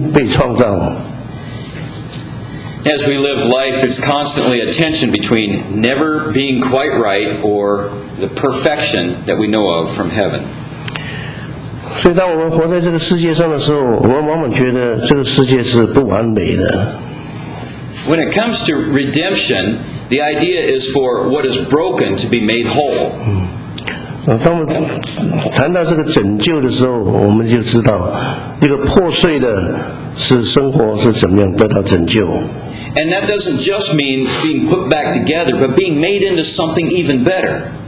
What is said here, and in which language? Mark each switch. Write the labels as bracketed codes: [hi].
[en] As we live life, it's constantly a tension between never being quite right or the perfection that we know of from heaven. [zh] 所以当我们活在这个世界上的时候，我们往往觉得这个世界是不完美的。 [en] When it comes to redemption, the idea is for what is broken to be made whole. [zh] 当我们谈到这个拯救的时候，我们就知道，一个破碎的是生活是怎么样得到拯救。 [en] And that doesn't just mean being put back together, but being made into something even better.